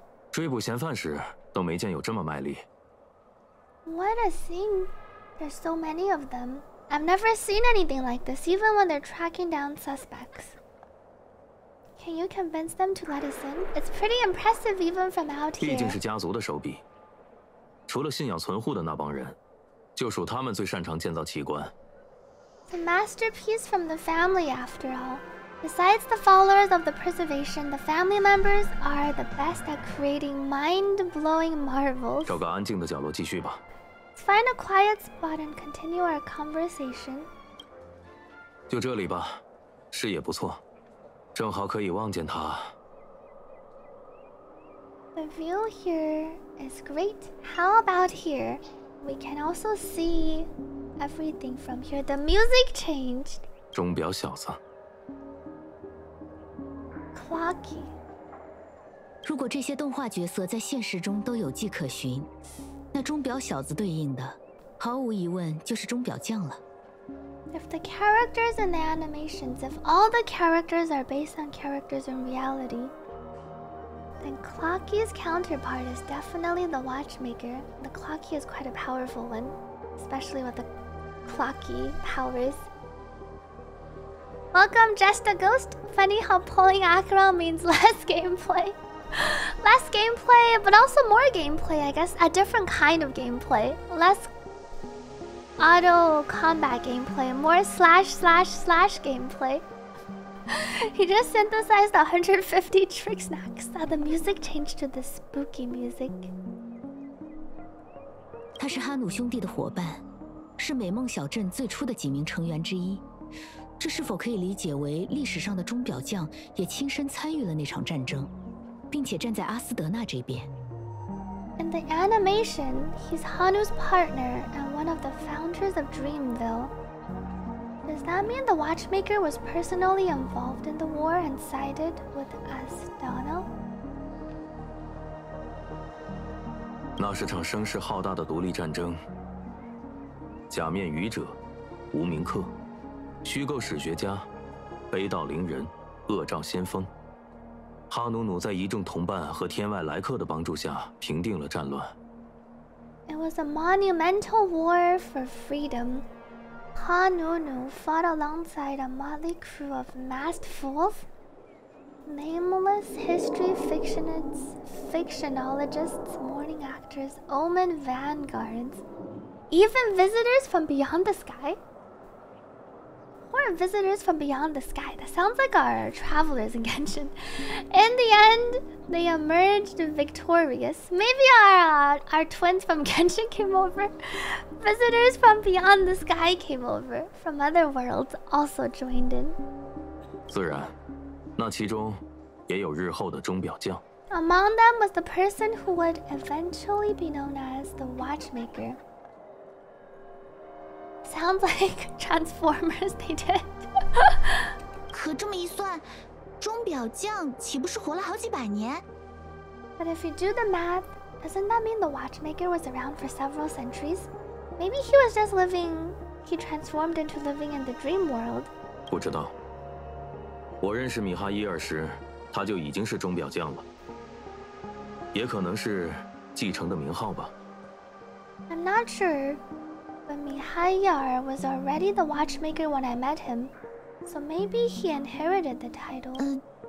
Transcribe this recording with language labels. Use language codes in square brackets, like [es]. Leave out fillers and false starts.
[zh] 追捕嫌犯时都没见有这么卖力。 [en] What a scene. There's so many of them. I've never seen anything like this, even when they're tracking down suspects. Can you convince them to let us in? It's pretty impressive even from out here. [zh] 毕竟是家族的手笔。除了信仰存户的那帮人，就属他们最擅长建造奇观。 [en] It's a masterpiece from the family after all. Besides the followers of the preservation, the family members are the best at creating mind-blowing marvels. [zh] 找个安静的角落继续吧。 [en] Let's find a quiet spot and continue our conversation. [zh] 就这里吧，视野不错，正好可以望见他。 [en] The view here is great. How about here? We can also see everything from here. The music changed. [zh] 钟表小子。 [en] Clocky. [zh] 如果这些动画角色在现实中都有迹可循。那钟表小子对应的毫无疑问就是钟表匠了。 [en] If the characters in the animations, if all the characters are based on characters in reality, then Clocky's counterpart is definitely the watchmaker. The Clocky is quite a powerful one, especially with the Clocky powers. Welcome, Just a Ghost. Funny how pulling acheron means less gameplay. Less gameplay, but also more gameplay, I guess. A different kind of gameplay. Less auto combat gameplay, more slash slash slash gameplay. He just synthesized 150 trick snacks. Now the music changed to the spooky music. [zh] 他是哈努兄弟的伙伴，是美梦小镇最初的几名成员之一。这是否可以理解为历史上的钟表匠也亲身参与了那场战争？并且站在阿斯德纳这边。 [en] In the animation, he's Hanu's partner and one of the founders of Dreamville. Does that mean the Watchmaker was personally involved in the war and sided with Astana? [zh] 那是场声势浩大的独立战争。假面愚者、无名客、虚构史学家、悲悼凌人、恶兆先锋。哈努努在一众同伴和天外来客的帮助下平定了战乱。 [en] It was a monumental war for freedom. Ha Nu Nu fought alongside a motley crew of masked fools, nameless history fictionologists, morning actors, omen vanguards, even visitors from beyond the sky. Or visitors from beyond the sky. That sounds like our travelers in Genshin. In the end, they emerged victorious. Maybe our twins from Genshin came over. Visitors from beyond the sky came over. From other worlds also joined in. [zh] 自然，那其中也有日后的钟表匠。 [en] Among them was the person who would eventually be known as the Watchmaker. Sounds like Transformers they did. [zh] 可这么一算，钟表匠岂不是活了好几百年？ [en] But if you do the math, doesn't that mean the watchmaker was around for several centuries? Maybe he was just living... He transformed into living in the dream world. [zh] 不知道。我认识米哈伊尔时，他就已经是钟表匠了。也可能是继承的名号吧。 [en] I'm not sure, but Mihayar was already the watchmaker when I met him, so maybe he inherited the title.